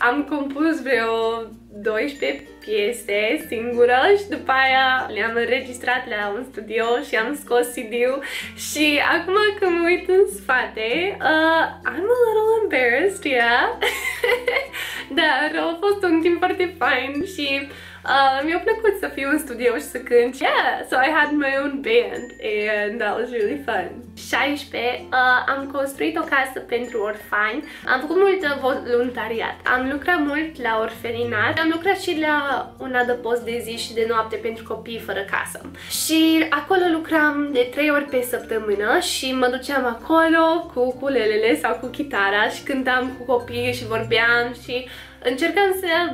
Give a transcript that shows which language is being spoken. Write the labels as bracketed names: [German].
[Romanian] Am compus vreo 12 piese singură și după aia le-am înregistrat la un studio și am scos CD-ul și acum că mă uit în spate, [English] I'm a little embarrassed, yeah. [Romanian] Dar a fost un timp foarte fain și mi-a plăcut să fiu în studio și să cânt. [English] Yeah, so I had my own band and that was really fun. [Romanian] 16, am construit o casă pentru orfani. Am făcut mult voluntariat. Am lucrat mult la orfelinat. Am lucrat și la un adăpost de zi și de noapte pentru copii fără casă. Și acolo lucram de 3 ori pe săptămână și mă duceam acolo cu ukulelele sau cu chitara și cântam cu copii și vorbeam și încercam să...